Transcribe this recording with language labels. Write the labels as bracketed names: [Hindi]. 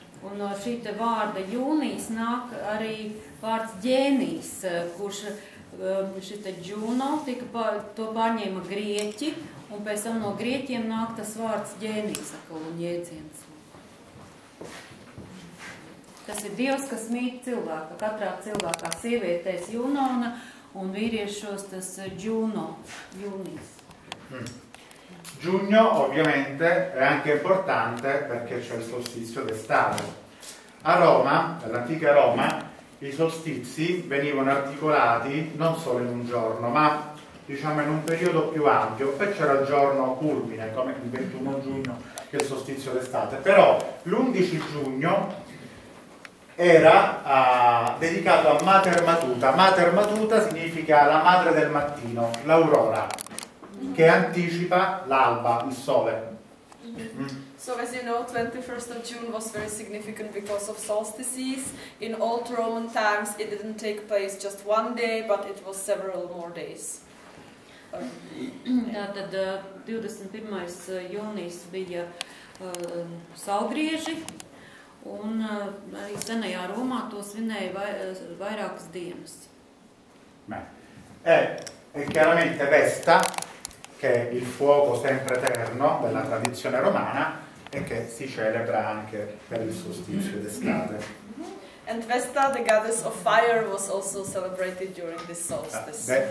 [Latvian] Un no šīta vārda Junis nāk arī vārds ģēnis, kurš šita Juno tika to pārņēma grieķi, un pēc tam no grieķiem nāk tas vārds ģēnis, saka, un jēdziens. Tas ir Dievs, kas mīt cilvēka, katrā cilvēkā sievietēs Junona un vīriešos tas Juno, Junis. [Italian] Giugno, ovviamente, è anche importante perché c'è il solstizio d'estate. A Roma, all'antica Roma, i solstizi venivano articolati non solo in un giorno, ma diciamo in un periodo più ampio, poi c'era il giorno culmine, come il 21 giugno, che è il solstizio d'estate. Però l'11 giugno era dedicato a Mater Matuta. Mater Matuta significa la madre del mattino, l'aurora, che anticipa l'alba, il sole. [English] So as you know, 21st of June was very significant because of solstices. In old Roman times it didn't take place just one day, but it was several more days. [Latvian] Tātad 21. Jūnijs bija saulgrieži, un arī senajā Romā to svinēja vairākas dienas. [Italian] E chiaramente Vesta, che è il fuoco sempre eterno della tradizione romana e che si celebra anche per il solstizio d'estate. [English] And Vesta, the goddess of fire, was also celebrated during this solstice.